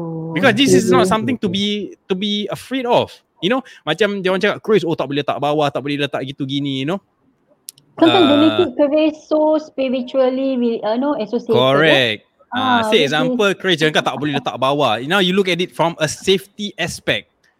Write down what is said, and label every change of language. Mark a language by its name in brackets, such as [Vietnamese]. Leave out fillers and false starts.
[English] Because this is not something to be afraid of. You know? [Malay] Macam dia orang cakap, Chris, oh tak boleh letak bawah, tak boleh letak gitu gini, you know? [English] Sometimes so spiritually, associated. Correct. [Malay] Say example, Chris, jangan kata tak boleh letak bawah. [English] You know, you look at it from a safety aspect.